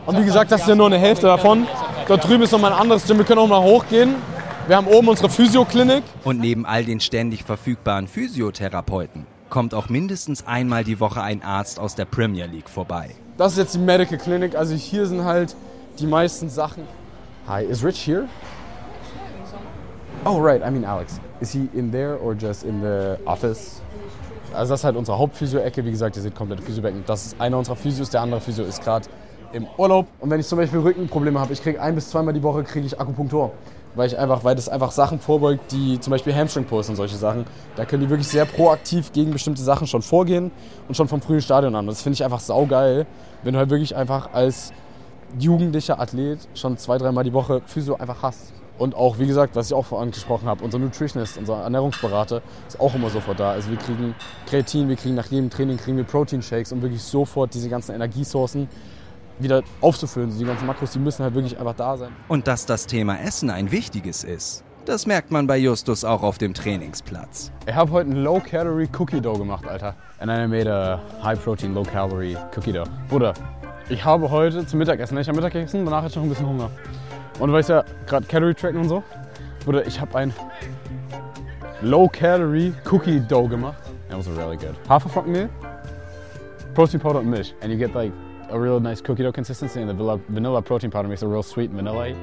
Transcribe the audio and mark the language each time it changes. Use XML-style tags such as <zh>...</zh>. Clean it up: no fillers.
<de>Und wie gesagt, das ist ja nur eine Hälfte davon. Dort drüben ist noch mal ein anderes Gym, wir können auch mal hochgehen. Wir haben oben unsere Physioklinik. Und neben all den ständig verfügbaren Physiotherapeuten kommt auch mindestens einmal die Woche ein Arzt aus der Premier League vorbei. Das ist jetzt die Medical Clinic, also hier sind halt die meisten Sachen.</de> <en>Hi, is Rich here? Oh right, I mean Alex. Is he in there or just in the office?</en> <de>Also das ist halt unsere Hauptphysio-Ecke, wie gesagt, ihr seht komplette Physiobecken. Das ist einer unserer Physios, der andere Physio ist gerade im Urlaub. Und wenn ich zum Beispiel Rückenprobleme habe, ich kriege ein bis zweimal die Woche kriege ich Akupunktur. Weil das einfach Sachen vorbeugt, die zum Beispiel Hamstring Pulls und solche Sachen, da können die wirklich sehr proaktiv gegen bestimmte Sachen schon vorgehen und schon vom frühen Stadion an. Das finde ich einfach saugeil, wenn du halt wirklich einfach als jugendlicher Athlet schon zwei, dreimal die Woche Physio einfach hast. Und auch, wie gesagt, was ich auch vorhin angesprochen habe, unser Nutritionist, unser Ernährungsberater, ist auch immer sofort da. Also wir kriegen Kreatin, wir kriegen nach jedem Training kriegen wir Protein-Shakes, um wirklich sofort diese ganzen Energiesourcen wieder aufzufüllen. Die ganzen Makros, die müssen halt wirklich einfach da sein. Und dass das Thema Essen ein wichtiges ist, das merkt man bei Justus auch auf dem Trainingsplatz. Ich habe heute einen Low-Calorie Cookie Dough gemacht, Alter.</de> <en>And I made a High-Protein, Low-Calorie Cookie Dough.</en> <de>Bruder, ich habe heute zum Mittagessen, ich habe Mittag gegessen, danach hatte ich noch ein bisschen Hunger. Und du weißt ja, gerade Calorie Tracken und so. Bruder, ich habe ein Low-Calorie Cookie Dough gemacht.</de> <en>That was really good.</en> <de>Haferflockenmehl, Protein Powder und Milch.</de> <en>And you get like a real nice cookie dough consistency and the vanilla protein powder makes it real sweet and vanilla-y.</en>